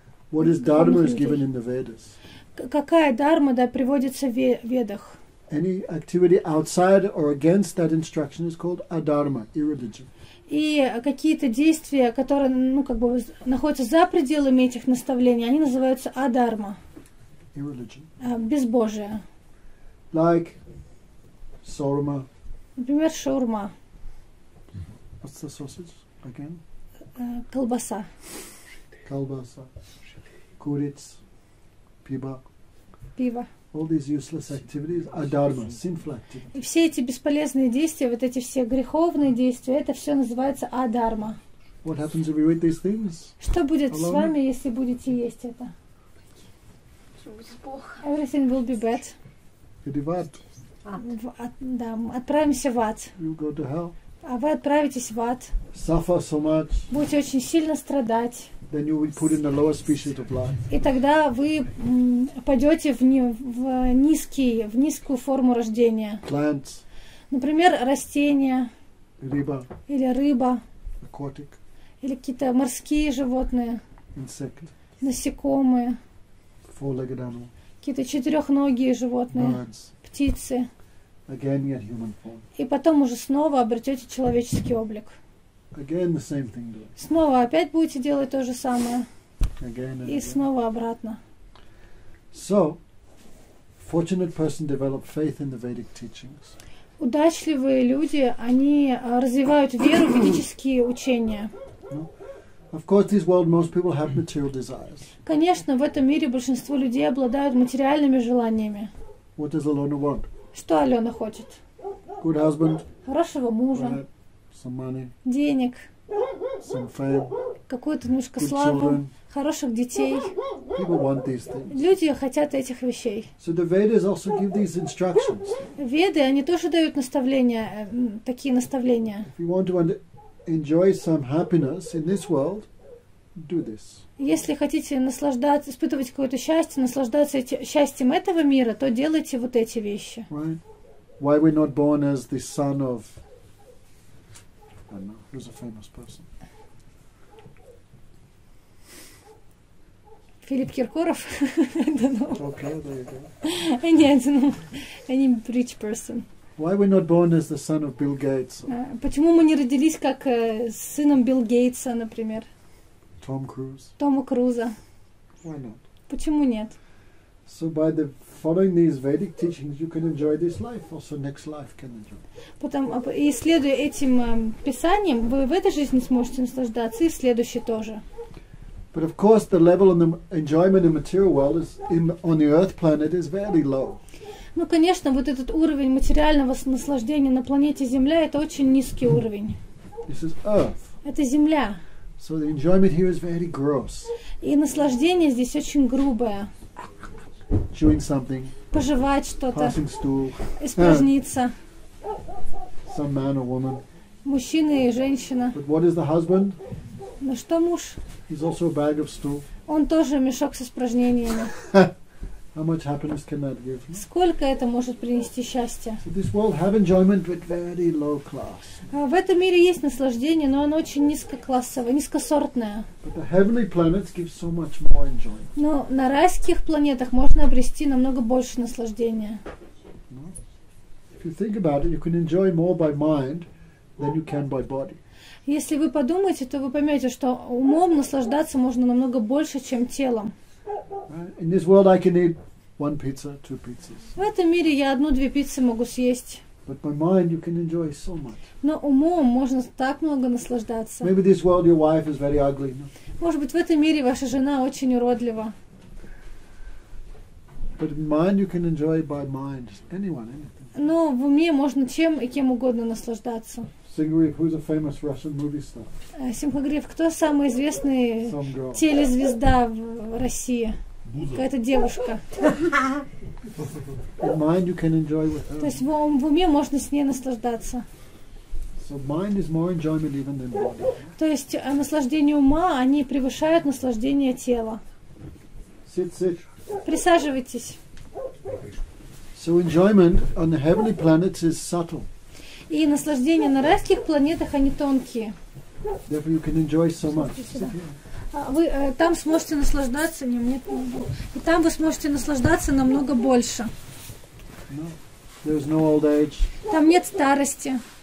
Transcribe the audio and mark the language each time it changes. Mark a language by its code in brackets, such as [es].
[en] What is dharma is given in the Vedas? [ru] Какая дарма, да, приводится в Ведах? [en] Any activity outside or against that instruction is called adharma, irreligion. [ru] И какие-то действия, которые, ну, как бы находятся за пределами этих наставлений, они называются адарма. [en] Irreligion. [ru] Безбожие. [en] Like shawarma. [ru] Например, шаурма. [en] What's the sausage again? [ru] Колбаса. Колбаса. Куриц. Пиво. Пиво. [en] All these useless activities are dharma, sinful activities. [ru] И все эти бесполезные действия, вот эти все греховные действия, это все называется адхарма. [en] What happens if you eat these things? [ru] Что будет с вами, если будете есть это? [en] Everything will be bad. [ru] Иди в ад. Да, отправимся в ад. [en] You go to hell. [ru] А вы отправитесь в ад. [en] Suffer so much. [ru] Будете очень сильно страдать. [en] Then you will put in the lower species of life. [ru] И тогда вы пойдете в низкую форму рождения. [en] Plants. [ru] Например, растения. Рыба. Или рыба. [en] Aquatic. [ru] Или какие-то морские животные. [en] Insect. [ru] Насекомые. [en] Four-legged animal. [ru] Какие-то четырехногие животные. [en] Birds. [ru] Птицы. [en] Again, get human form. [ru] И потом уже снова обретете человеческий облик. [en] Again the same thing doing. [ru] Снова опять будете делать то же самое. [en] Again and [ru] и снова обратно. [en] So, fortunate person develop faith in the Vedic teachings. [ru] Удачливые люди, они развивают веру в ведические учения. [en] Of course, this world most people have material desires. [ru] Конечно, в этом мире большинство людей обладают материальными желаниями. [en] What does Alona want? [ru] Что Алена хочет? [en] Good husband. [ru] Хорошего мужа. [en] Right. Some money, [ru] денег, [en] some fame, [ru] какую-то немножко славу, хороших детей. [en] People want these things. [ru] Люди хотят этих вещей. [en] So the Vedas also give these instructions. [ru] Веды, они тоже дают наставления, такие наставления. [en] If you want to enjoy some happiness in this world, do this. [ru] Если хотите наслаждаться, испытывать какое-то счастье, наслаждаться счастьем этого мира, то делайте вот эти вещи. [en] Right. Why we're not born as the son of I don't know. Who's a famous person? Филипп Киркоров? I don't know. Okay, there you go. Any, I don't know. Any rich person. Why are we not born as the son of Bill Gates? [ru] Почему мы не родились как сыном Билл Гейтса, например? [en] Tom Cruise. [ru] Тома Круза. [en] Why not? [ru] Почему нет? [en] So by the following these Vedic teachings, you can enjoy this life. Also, next life can enjoy. [ru] Потом, исследуя этим писанием, вы в этой жизни сможете наслаждаться и в следующей тоже. [en] But of course, the level of enjoyment in material world is on the Earth planet is very low. [ru] Ну, конечно, вот этот уровень материального наслаждения на планете Земля — это очень низкий уровень. [en] This is Earth. [ru] Это Земля. [en] So the enjoyment here is very gross. [ru] И наслаждение здесь очень грубое. [en] Chewing something, [ru] пожевать что-то, [en] passing stool, [ru] испражниться. [en] Some man or woman. [ru] Мужчина и женщина. [en] But what is the husband? [ru] Ну что муж? [en] He's also a bag of stool. [ru] Он тоже мешок с испражнениями. [en] How much happiness can that give? [ru] Сколько это может принести счастья? [en] So this world have enjoyment, but very low class. [ru] В этом мире есть наслаждение, но оно очень низкоклассовое, низкосортное. [en] But the heavenly planets give so much more enjoyment. [ru] Но на райских планетах можно обрести намного больше наслаждения. [en] No? If you think about it, you can enjoy more by mind than you can by body. [ru] Если вы подумаете, то вы поймете, что умом наслаждаться можно намного больше, чем телом. [en] In this world, I can eat one pizza, two pizzas. [ru] В этом мире я одну-две пиццы могу съесть. [en] But by mind, you can enjoy so much. [ru] Но умом можно так много наслаждаться. [en] Maybe this world, your wife is very ugly. No? [ru] Может быть, в этом мире ваша жена очень уродлива. [en] But in mind, you can enjoy by mind anyone, anything. [ru] Но в уме можно чем и кем угодно наслаждаться. [en] Simhagriv, who's a famous Russian movie star? [ru] Simhagriv, кто самый известный телезвезда в России? Какая-то девушка. [en] In mind you can enjoy with her. [ru] То есть в уме можно с ней наслаждаться. [en] So mind is more enjoyment even than body. [ru] То есть наслаждение ума, они превышают наслаждение тела. [en] Sit, sit. [ru] Присаживайтесь. [en] So enjoyment on the heavenly planets is subtle. [ru] И наслаждение на райских планетах, они тонкие. [en] Therefore you can enjoy so much. [ru] Вы там сможете наслаждаться, и там вы сможете наслаждаться намного больше. [en] No, there's no old age. [ru] Там нет старости.